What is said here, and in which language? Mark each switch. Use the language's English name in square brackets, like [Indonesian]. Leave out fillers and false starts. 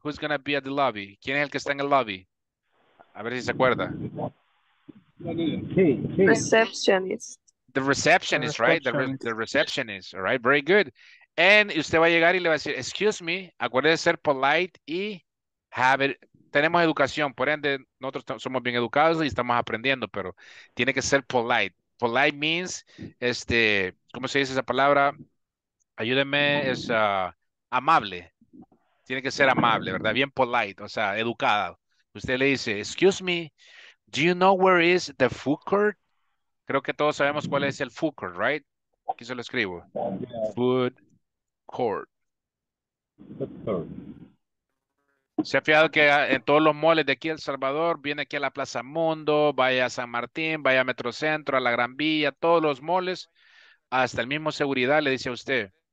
[Spanish] ¿Quién es el que está en el lobby? A ver si se acuerda. [English] Receptionist. The receptionist, right? The receptionist, all right? Very good. [Spanish] And usted va a llegar y le va a decir, [English] excuse me, [Spanish] acuérdese de ser polite y have it. Tenemos educación, por ende, nosotros somos bien educados y estamos aprendiendo, pero tiene que ser polite. Polite means, este, ¿cómo se dice esa palabra? Ayúdeme, es amable. Tiene que ser amable, ¿verdad? Bien polite, o sea, educada. Usted le dice, [English] excuse me, do you know where is the food court? [Spanish] Creo que todos sabemos cuál es el food court, right? Aquí se lo escribo. [English] Food court. [Spanish] ¿Se ha fijado que en todos los moles de aquí El Salvador, viene aquí a la Plaza Mundo, vaya a San Martín, vaya a Metrocentro, a la Gran Vía, todos los moles, hasta el mismo seguridad le dice a usted.